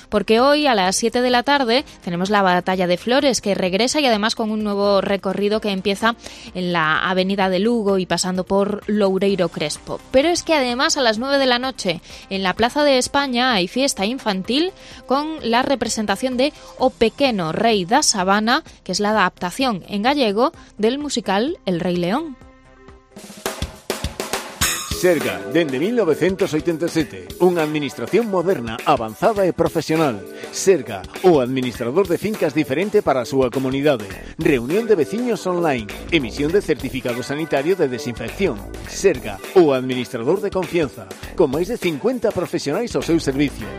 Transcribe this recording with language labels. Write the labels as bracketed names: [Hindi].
[Spanish] Porque hoy a las 7 de la tarde tenemos la Batalla de Flores, que regresa y además con un nuevo recorrido que empieza en la Avenida de Lugo y pasando por Loureiro Crespo. Pero es que además a las 9 de la noche en la Plaza de España hay fiesta infantil con la representación de O Pequeno Rei da Sabana, que es la adaptación en gallego del musical El Rey León. [Galician] Serga, dende 1987, unha administración moderna, avanzada e profesional. Serga, o administrador de fincas diferente para a súa comunidade. Reunión de veciños online, emisión de certificado sanitario de desinfección. Serga, o administrador de confianza, con máis de 50 profesionais ao seu servicio.